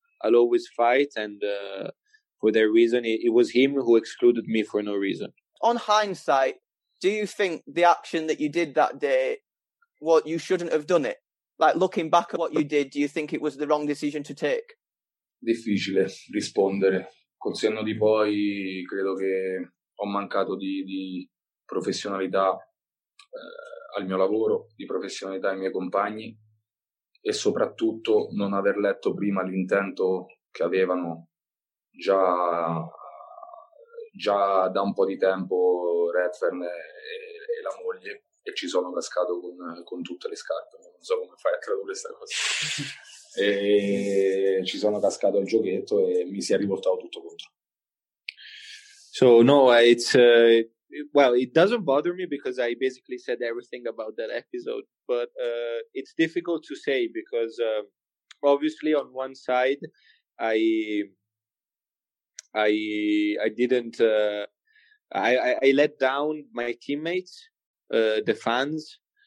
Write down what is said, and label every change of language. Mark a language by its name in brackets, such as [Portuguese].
[English] I'll always fight, and for their reason, it was him who excluded me for no reason. On hindsight, do you think the action that you did that day, what you shouldn't have done it? Like, looking back at what you did, do you think it was the wrong decision to take? [Italian] Difficile rispondere. Col senno di poi credo che ho mancato di professionalità al mio lavoro, di professionalità ai miei compagni, e soprattutto non aver letto prima l'intento che avevano già da un po' di tempo Redfern e la moglie, e ci sono cascato con tutte le scarpe. Non so come fai a tradurre questa cosa. E ci sono cascato il giochetto e mi si è rivoltato tutto contro. [English] So no, it's well, it doesn't bother me because I basically said everything about that episode, but it's difficult to say because obviously on one side I let down my teammates, the fans.